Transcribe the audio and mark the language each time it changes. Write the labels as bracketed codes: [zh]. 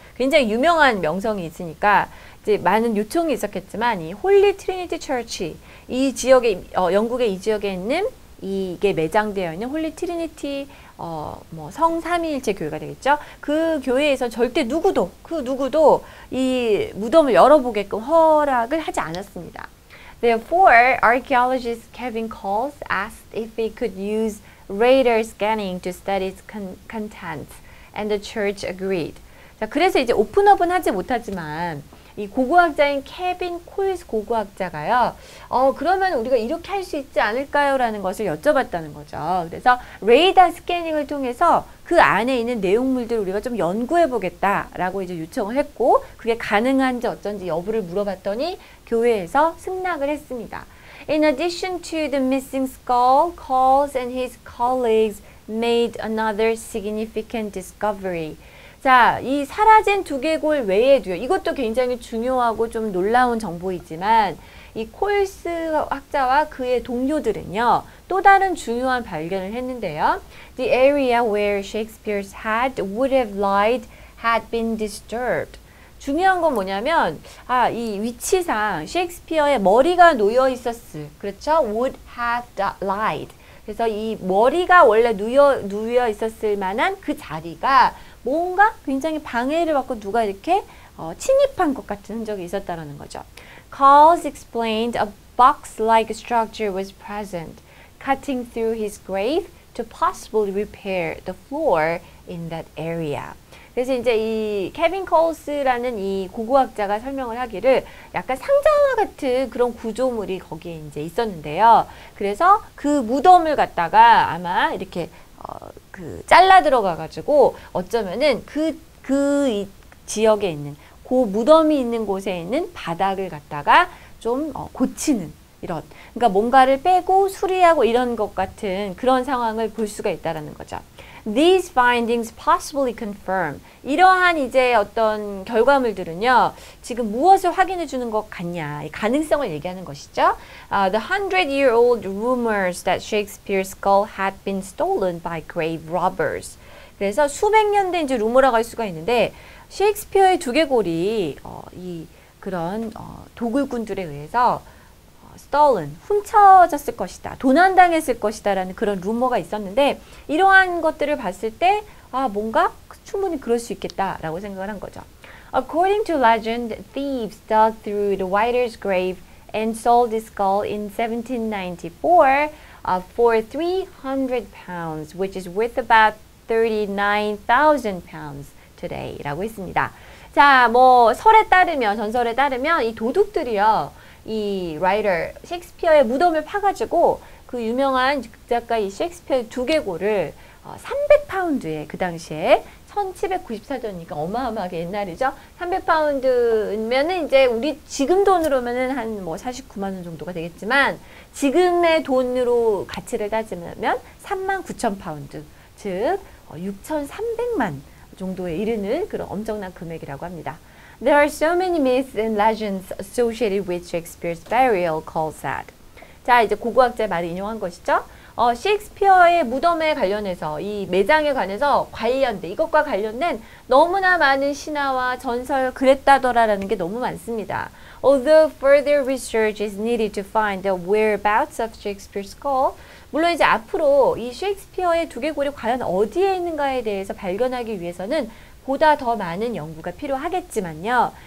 [ko] 굉장히 유명한 명성이 있으니까 이제 많은 요청이 있었겠지만 이 홀리 트리니티 처치 이 지역에 영국의 이 지역에 있는 이게 매장되어 있는 홀리 트리니티 뭐 성삼위일체 교회가 되겠죠. 그 교회에서 절대 누구도 그 누구도 이 무덤을 열어보게끔 허락을 하지 않았습니다. [en] Therefore, archaeologist Kevin Coles asked if he could use radar scanning to study its contents, and the church agreed. [ko] 자, 그래서 이제 오픈업은 하지 못하지만 이 고고학자인 케빈 콜스 고고학자가요. 그러면 우리가 이렇게 할수 있지 않을까요라는 것을 여쭤봤다는 거죠. 그래서 레이더 스캐닝을 통해서 그 안에 있는 내용물들을 우리가 좀 연구해 보겠다라고 이제 요청을 했고 그게 가능한지 어쩐지 여부를 물어봤더니 교회에서 승낙을 했습니다. [en] In addition to the missing skull, Coles and his colleagues made another significant discovery. [ko] 자, 이 사라진 두개골 외에도요, 이것도 굉장히 중요하고 좀 놀라운 정보이지만, 이 콜스 학자와 그의 동료들은요, 또 다른 중요한 발견을 했는데요. [en] The area where Shakespeare's head would have lied had been disturbed. [ko] 중요한 건 뭐냐면, 아, 이 위치상, 셰익스피어의 머리가 놓여 있었을, 그렇죠? [en] would have lied. [ko] 그래서 이 머리가 원래 누여 있었을 만한 그 자리가 뭔가 굉장히 방해를 받고 누가 이렇게 침입한 것 같은 흔적이 있었다라는 거죠. [en] Coles explained a box-like structure was present, cutting through his grave to possibly repair the floor in that area. [ko] 그래서 이제 이 케빈 콜스라는 이 고고학자가 설명을 하기를 약간 상자와 같은 그런 구조물이 거기에 이제 있었는데요. 그래서 그 무덤을 갖다가 아마 이렇게 그 잘라 들어가가지고 어쩌면은 그 지역에 있는 그 무덤이 있는 곳에 있는 바닥을 갖다가 좀 고치는 이런 그러니까 뭔가를 빼고 수리하고 이런 것 같은 그런 상황을 볼 수가 있다라는 거죠. [en] These findings possibly confirm. [ko] 이러한 이제 어떤 결과물들은요, 지금 무엇을 확인해 주는 것 같냐, 가능성을 얘기하는 것이죠. [en] The 100-year-old rumors that Shakespeare's skull had been stolen by grave robbers. [ko] 그래서 수백 년된 이제 루머라고 할 수가 있는데, 셰익스피어의 두개골이, 이, 그런, 도굴꾼들에 의해서, stolen, 훔쳐졌을 것이다, 도난당했을 것이다라는 그런 루머가 있었는데 이러한 것들을 봤을 때 아, 뭔가 충분히 그럴 수 있겠다라고 생각을 한 거죠. [en] According to legend, thieves dug through the writer's grave and sold his skull in 1794 for 300 pounds, which is worth about 39,000 pounds today. [ko] 라고 했습니다. 자, 뭐, 설에 따르면, 전설에 따르면, 이 도둑들이요, 이 writer, 셰익스피어의 무덤을 파가지고, 그 유명한 작가 이 셰익스피어의 두개골을 300파운드에 그 당시에 1794년이니까 어마어마하게 옛날이죠. 300파운드면은 이제 우리 지금 돈으로면은 한 뭐 49만 원 정도가 되겠지만 지금의 돈으로 가치를 따지면 3만 9천 파운드, 즉 6,300만 정도에 이르는 그런 엄청난 금액이라고 합니다. [en] There are so many myths and legends associated with Shakespeare's burial called sad. [ko] 자, 이제 고고학자의 말을 인용한 것이죠. 셰익스피어의 무덤에 관련해서 이 매장에 관해서 관련된 이것과 관련된 너무나 많은 신화와 전설 그랬다더라라는 게 너무 많습니다. [en] Although further research is needed to find the whereabouts of Shakespeare's skull, [ko] 물론 이제 앞으로 이 셰익스피어의 두개골이 과연 어디에 있는가에 대해서 발견하기 위해서는 보다 더 많은 연구가 필요하겠지만요.